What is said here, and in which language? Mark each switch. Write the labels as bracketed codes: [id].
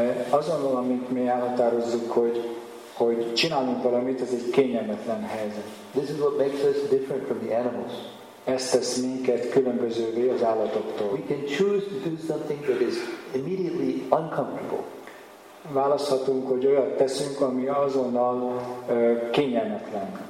[hu] Azonnal, amint mi elhatározzuk, hogy csinálunk valamit, ez egy kényelmetlen helyzet. [en] This is what makes us different from the animals. [hu] Ezt tesz minket különbözővé az állatoktól. [en] We can choose to do something that is immediately uncomfortable. [hu] Választhatunk, hogy olyat teszünk, ami azonnal kényelmetlen.